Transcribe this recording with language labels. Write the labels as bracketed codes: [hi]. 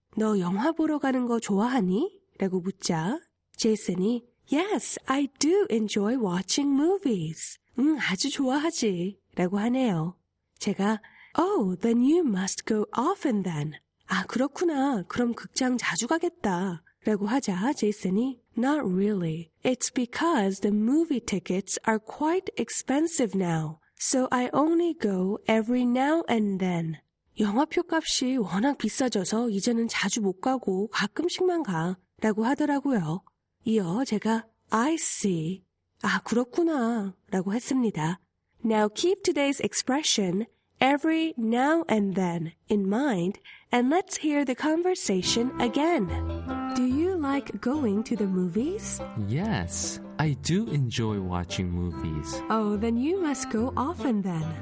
[ko] 너 영화 보러 가는 거 좋아하니? 라고 묻자 제이슨이 [en] Yes, I do enjoy watching movies. [ko] 응, 아주 좋아하지 라고 하네요. 제가 [en] Oh, then you must go often then. [ko] 아, 그렇구나. 그럼 극장 자주 가겠다 라고 하자 제이슨이 [en] Not really. It's because the movie tickets are quite expensive now. So I only go every now and then. [ko] 영화표 값이 워낙 비싸져서 이제는 자주 못 가고 가끔씩만 가 라고 하더라고요. 이어 제가 [en] I see. [ko] 아, 그렇구나 라고 했습니다. [en] Now keep today's expression every now and then in mind and let's hear the conversation again. Do you like going to the movies? Yes, I do enjoy watching movies. Oh, then you must go often then.